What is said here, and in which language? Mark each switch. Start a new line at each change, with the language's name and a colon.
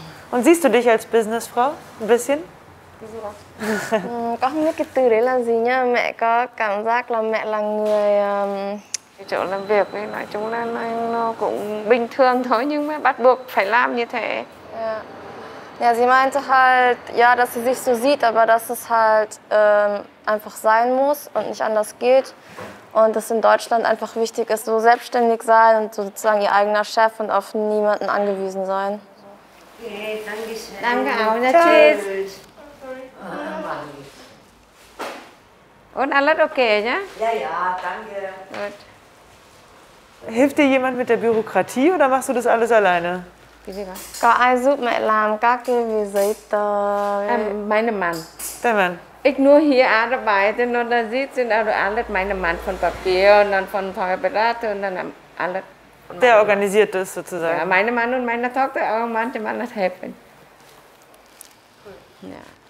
German: Und siehst du dich als Businessfrau ein bisschen?
Vietnamese: Con không biết cái từ đấy là gì nha. Mẹ có cảm giác là mẹ là người chỗ làm việc ấy, nói chung là nó cũng bình thường thôi, nhưng mà bắt buộc phải làm như thế.
German: Ja, sie meinte halt, ja, dass sie sich so sieht, aber dass es halt einfach sein muss und nicht anders geht. Und dass in Deutschland einfach wichtig ist, so selbstständig sein und sozusagen ihr eigener Chef und auf niemanden angewiesen sein. Okay, danke schön. Danke auch. Tschüss. Und alles okay, ja? Ja, danke. Gut. Hilft dir jemand mit der Bürokratie oder machst du das alles alleine?
Vietnamese: Có ai giúp mẹ làm các cái về giấy tờ?
German: Meine Mann. Dein Mann. Ich nur hier arbeiten und dann sieht sind also alles meine Mann von Papier und dann von Feuerberater und dann alles. Der organisiert das sozusagen. Ja, meine Mann und meine Tochter auch manchmal das helfen. Cool. Ja.